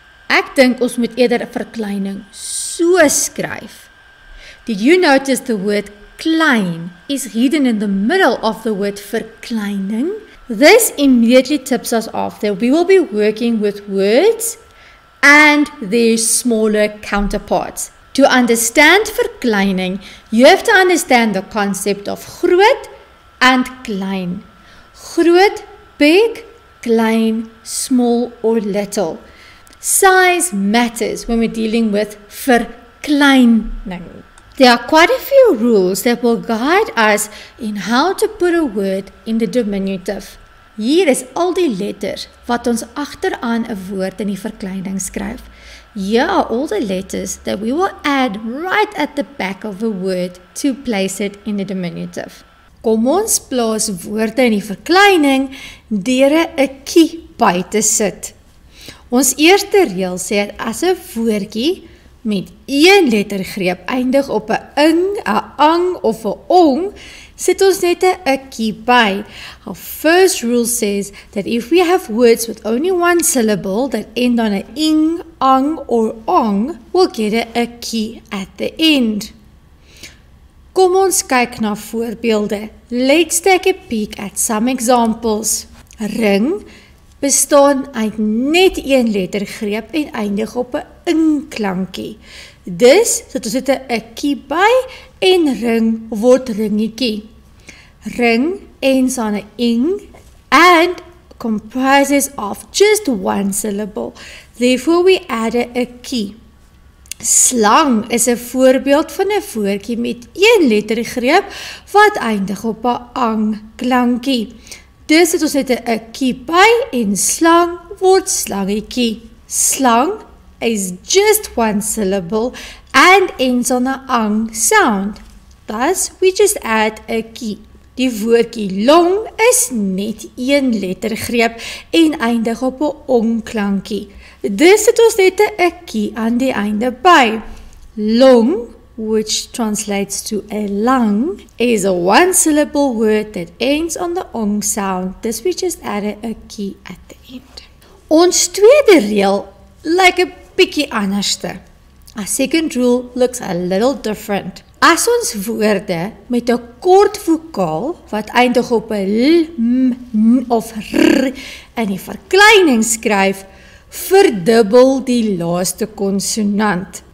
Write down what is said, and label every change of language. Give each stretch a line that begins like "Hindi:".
Afrikaans: Ek dink ons moet eerder verkleining so skryf.
English: Did you notice the word klein is hidden in the middle of the word verkleining? This immediately tips us off that we will be working with words and their smaller counterparts. To understand verkleining, you have to understand the concept of groot and klein. Groot, big, klein, small or little. Size matters when we're dealing with verkleining. There are quite a few rules that will guide us in how to put a word in the diminutive.
Afrikaans: Hier is al die letters wat ons achteraan een woord in die verkleining skryf.
English: Here are all the letters that we will add right at the back of a word to place it in the diminutive.
Afrikaans: Kom ons plaas woorde in die verkleining deur 'n kie by te sit. Ons eerste reël sê dat as 'n woordjie met een lettergreep eindig op 'n ing, 'n ang of 'n ong, sit ons net 'n kie by.
English: Our first rule says that if we have words with only one syllable that end on a ing, ang or ong, we'll get a kie at the end.
Afrikaans: Kom ons kyk na voorbeelde.
English: Let's take a peek at some examples.
Afrikaans: Ring bestaan uit net een lettergreep en eindig op 'n ing klankie. Dus sit ons net 'n kie by en ring word ringetjie.
English: Ring ends on a ing and comprises of just one syllable. Therefore, we add a key.
Afrikaans: Slang is 'n voorbeeld van 'n woordjie met een lettergreep wat eindig op 'n ang klankie. Dus het ons net 'n key by en slang word slangetjie.
English: Slang is just one syllable and ends on a ang sound. Thus, we just add a key.
Afrikaans: Die woordjie long is net een lettergreep en eindig op 'n ongklankie. Dus sit ons net 'n ikkie aan die einde by.
English: Long, which translates to a lung, is a one syllable word that ends on the ong sound. Dus we just add a ikkie at the end.
Afrikaans: Ons tweede reël lyk 'n bietjie anderste.
English: A second rule looks a little different.
Afrikaans: As ons woorde met 'n kort vokaal wat eindig op 'n l, m, n of r in die verkleining skryf, verdubbel die laaste konsonant.